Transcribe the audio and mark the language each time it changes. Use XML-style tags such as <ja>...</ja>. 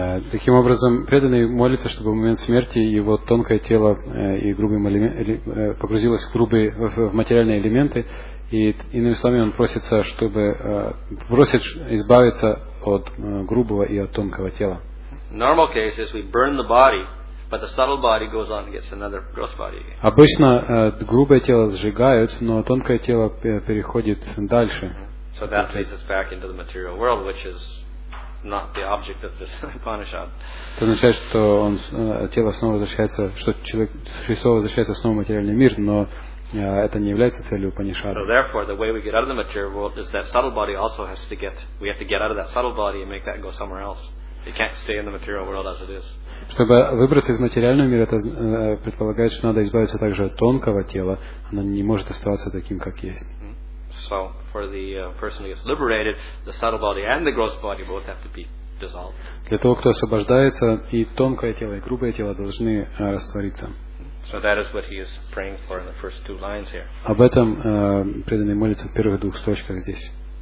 <ru>Таким образом, преданный молится, чтобы в момент смерти его тонкое тело и грубые погрузилось в материальные элементы, И иными словами, он просится, чтобы просит избавиться от грубого и от тонкого тела.</ru> <en>Normal cases we burn the body, but the subtle body goes on and gets another gross body.</en> <ru>Обычно грубое тело сжигают, но тонкое тело переходит дальше.</ru> <en>So that leads us back into the material world, which is not the object of this upanishad.</en> <ru>Это означает, что он тело снова возвращается, что человек снова возвращается в материальный мир, но это не является целью Упанишады.</ru> <en>So therefore, the way we get out of the material world is that subtle body also has to get. We have to get out of that subtle body and make that go somewhere else. It can't stay in the material world as it is.</en> <ru>Чтобы выбраться из материального мира, это предполагает, что надо избавиться также от тонкого тела. Оно не может оставаться таким, как есть.</ru> <en>So for the person who gets liberated, the subtle body and the gross body both have to be dissolved.</en> <ru>Для того, кто освобождается, и тонкое тело, и грубое тело должны раствориться.</ru> <en>So that is what he is praying for in the first two lines here.</en> <ru>Об этом преданный молится в первых двух строчках здесь.</ru>